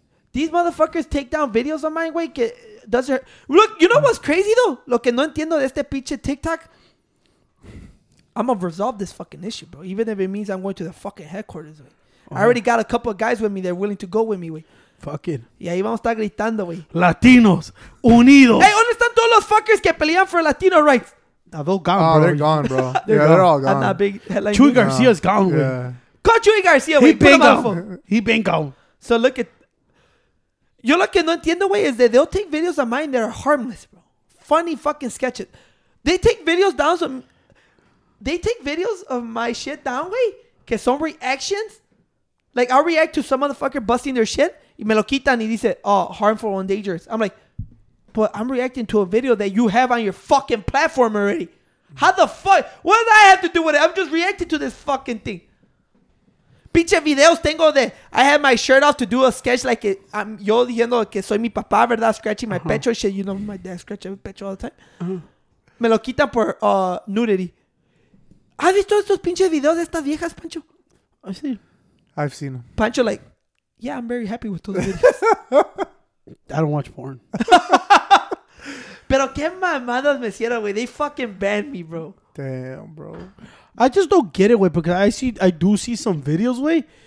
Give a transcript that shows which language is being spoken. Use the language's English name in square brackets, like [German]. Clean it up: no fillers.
[English] These motherfuckers take down videos of mine, wey, que doesn't hurt. Look, you know what's crazy, though? [Spanish] Lo que no entiendo de este pinche TikTok. [English] I'm going to resolve this fucking issue, bro. Even if it means I'm going to the fucking headquarters, wey. Uh-huh. I already got a couple of guys with me that are willing to go with me, wey. Fuck it. [Spanish] Y ahí vamos a estar gritando, wey. Latinos, unidos. Hey, ¿dónde están todos los fuckers que pelean [English] for Latino rights? Nah, they're gone, bro. Oh, they're gone, bro. They're gone. They're all gone. I'm not big. Like Chuy Garcia's gone, wey. Yeah. Call Chuy Garcia, wey. He been gone. So look at. [Spanish] Yo lo que no entiendo, [English] wey, is that they'll take videos of mine that are harmless, bro. Funny fucking sketches. They take videos down some. They take videos of my shit down, wey. [Spanish] Que son [English] reactions. Like, I'll react to some motherfucker busting their shit. [Spanish] Y me lo quitan y dice, [English] oh, harmful and dangerous. I'm like, but I'm reacting to a video that you have on your fucking platform already. How the fuck? What does that have to do with it? I'm just reacting to this fucking thing. [Spanish] Pinche videos tengo de [English] I had my shirt off to do a sketch like it, I'm [Spanish] yo diciendo que soy mi papá, verdad, [English] scratching my pecho shit. You know my dad scratching my pecho all the time. [Spanish] Me lo quitan por nudity. ¿Has visto estos pinches videos de estas viejas, Pancho? [English] I've seen them. Pancho like, yeah, I'm very happy with those videos. I don't watch porn. [Spanish] Pero qué mamadas me hicieron, güey. [English] They fucking banned me, bro. Damn, bro. I just don't get it, wey, because I do see some videos, wey.